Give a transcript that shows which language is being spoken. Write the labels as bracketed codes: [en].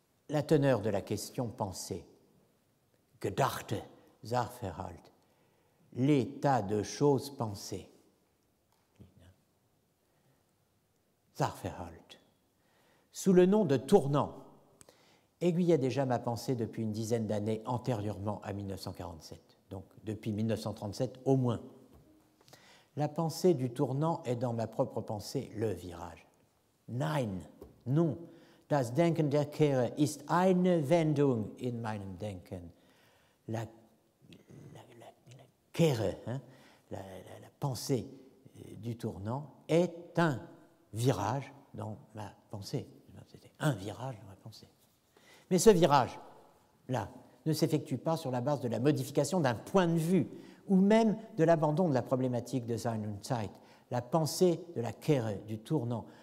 [fr] La teneur de la question pensée, Gedachte, Sachverhalt, l'état de choses pensées, Sachverhalt, sous le nom de tournant, aiguillait déjà ma pensée depuis une dizaine d'années antérieurement à 1947, donc depuis 1937 au moins. La pensée du tournant est dans ma propre pensée le virage. [de] Nein, non, das Denken der Kehre ist eine Wendung in meinem Denken. [fr] La Kehre, hein, la pensée du tournant est un virage dans ma pensée. C'était un virage dans ma pensée. Mais ce virage-là ne s'effectue pas sur la base de la modification d'un point de vue ou même de l'abandon de la problématique de Sein und Zeit. La pensée de la Kehre, du tournant,